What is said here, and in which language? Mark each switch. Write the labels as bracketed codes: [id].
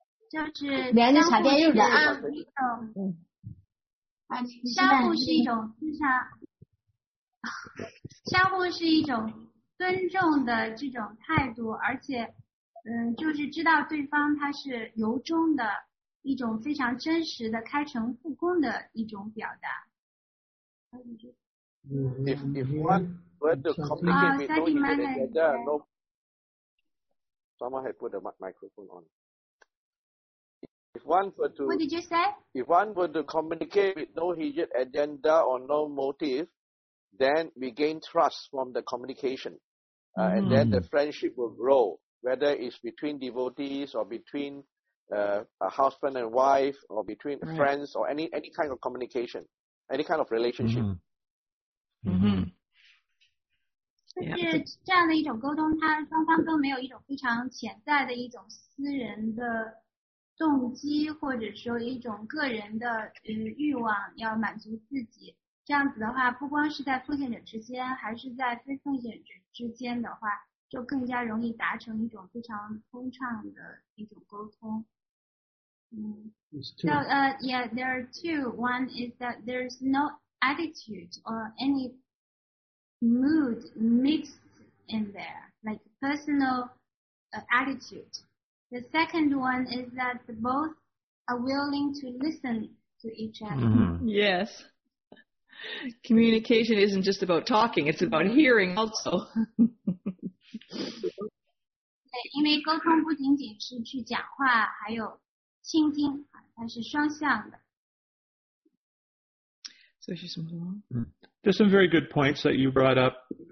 [zh] 就是相互是一种尊重的这种态度，而且。就是知道对方他是由衷的一种非常真实的开诚布公的一种表达。 [en] If one were to communicate with no agenda, someone had put the microphone on. What did you say? If one were to communicate with no hidden agenda or no motive, then we gain trust from the communication, and then the friendship will grow. Whether it's between devotees or between a husband and wife or between friends or any kind of communication, any kind of relationship. [zh] 就是这样的一种沟通，它双方都没有一种非常潜在的一种私人的动机，或者说一种个人的欲望要满足自己。这样子的话，不光是在奉献者之间，还是在非奉献者之间的话。就更加容易达成一种非常通畅的一种沟通。 [en] There are two. One is that there's no attitude or any mood mixed in there, like personal attitude. The second one is that both are willing to listen to each other. Yes. Communication isn't just about talking, it's about hearing also. [zh] 对，因为沟通不仅仅是去讲话，还有倾听，它是双向的。 [en] So she's something wrong. There's some very good points that you brought up.